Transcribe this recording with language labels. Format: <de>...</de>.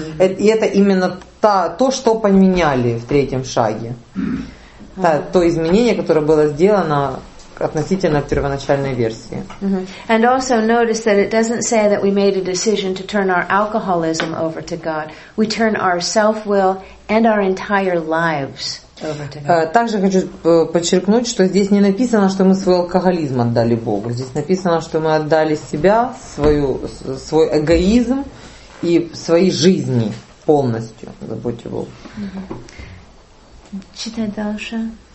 <ru>И это именно то, что поменяли в третьем шаге. То изменение, которое было сделано относительно первоначальной версии.</ru> <en>And also notice that it doesn't say that we made a decision to turn our alcoholism over to God. We turn our self-will and our entire lives over to God.</en> <ru>Также хочу подчеркнуть, что здесь не написано, что мы свой алкоголизм отдали Богу. Здесь написано, что мы отдали себя, свой эгоизм и свои жизни полностью заботе Богу. Читай дальше.</ru>